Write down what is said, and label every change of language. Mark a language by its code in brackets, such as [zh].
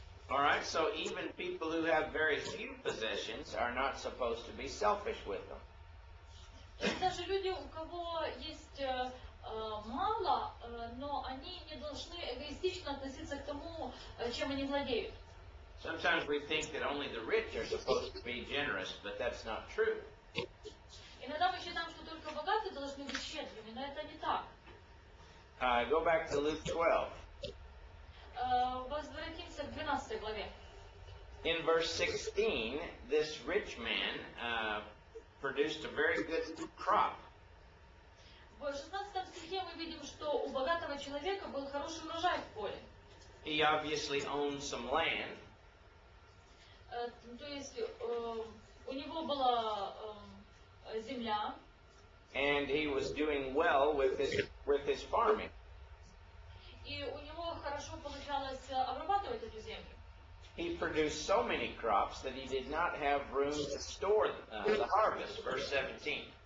[en] All right, so even people who have very few possessions are not supposed to be selfish with them. [ru] Даже люди, у кого есть мало, но они не должны эгоистично относиться к тому, чем они владеют. [en] Sometimes we think that only the rich are supposed to be generous, but that's not true. [ru] Иногда мы считаем, что только богатые должны быть щедрыми, но это не так. [en] Go back to Luke 12. [ru] Возвратимся к 12 главе. [en] In verse 16, this rich man produced a very good crop. [ru] В 16 стихе мы видим, что у богатого человека был хороший урожай в поле. [en] He obviously owned some land. [ru] то есть у него была земля. [en] And he was doing well with his farming. [ru] И у него хорошо получалось обрабатывать эту землю. [en] He produced so many crops that he did not have room to store the harvest, verse 17.